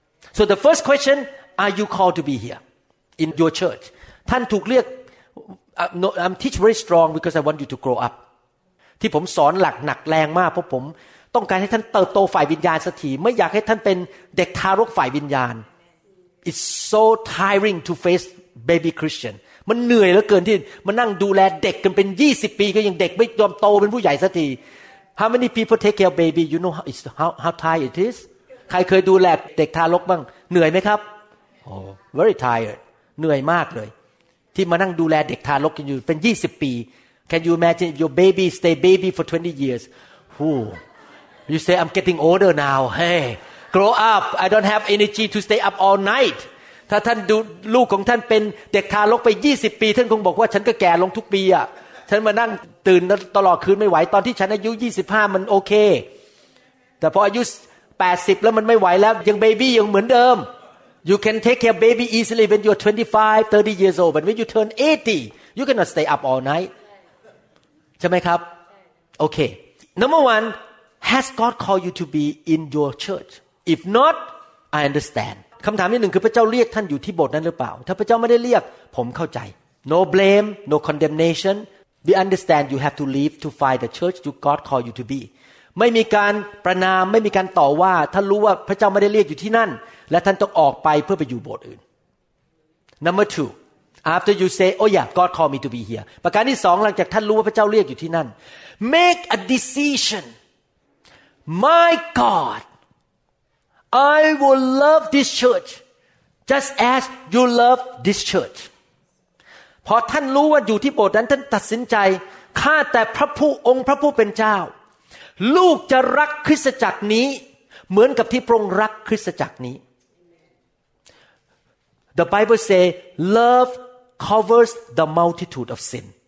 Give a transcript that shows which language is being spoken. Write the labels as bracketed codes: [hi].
[en] So the first question, are you called to be here in your church? [th] ท่านถูกเรียก [en] I'm teach very strong because I want you to grow up. [th] ที่ผมสอนหลักหนักแรงมากเพราะผมต้องการให้ท่านเติบโตฝ่ายวิญญาณสักทีไม่อยากให้ท่านเป็นเด็กทารกฝ่ายวิญญาณ [en] It's so tiring to face baby Christian [th] มันเหนื่อยเหลือเกินที่มานั่งดูแลเด็กกันเป็น20ปีก็ยังเด็กไม่ยอมโตเป็นผู้ใหญ่สักที [en] How many people take care of baby? You know how tired it is? [th] ใครเคยดูแลเด็กทารกบ้างเหนื่อยไหมครับ [en] Oh, very tired. [th] เหนื่อยมากเลยที่มานั่งดูแลเด็กทารกกันอยู่เป็น20ปี [en] Can you imagine if your baby stay baby for 20 years? Whoo, you say I'm getting older now. Hey, grow up. I don't have energy to stay up all night. [th] ถ้าท่านดูลูกของท่านเป็นเด็กทารกไป20ปีท่านคงบอกว่าฉันก็แก่ลงทุกปีอ่ะฉันมานั่งตื่นตลอดคืนไม่ไหวตอนที่ฉันอายุ25มันโอเคแต่พออายุ80แล้วมันไม่ไหวแล้วยังเบบี้ยังเหมือนเดิม [en] You can take care of baby easily when you're 25 30 years old but when you turn 80 you cannot stay up all night [th] ใช่ไหมครับโอเค [en] Number one has God called you to be in your church if not I understand [th] คำถามที่หนึ่งคือพระเจ้าเรียกท่านอยู่ที่โบสถ์นั้นหรือเปล่าถ้าพระเจ้าไม่ได้เรียกผมเข้าใจ [en] No blame, no condemnation. We understand you have to leave to find the church you God called you to be. [th] ไม่มีการประนามไม่มีการต่อว่าท่านรู้ว่าพระเจ้าไม่ได้เรียกอยู่ที่นั่นและท่านต้องออกไปเพื่อไปอยู่โบสถ์อื่น [en] Number two, after you say, oh yeah, God called me to be here. [th] ประการที่สองหลังจากท่านรู้ว่าพระเจ้าเรียกอยู่ที่นั่น [en] Make a decision. My GodI will love this church just as you love this church. [th] พอท่านรู้ว่าอยู่ที่โบสถ์นั้นท่านตัดสินใจข้าแต่พระผู้องค์พระผู้เป็นเจ้าลูกจะรักคริสตจักรนี้เหมือนกับที่พระองค์รักคริสตจักรนี้ [en] The Bible say love covers the multitude of sin.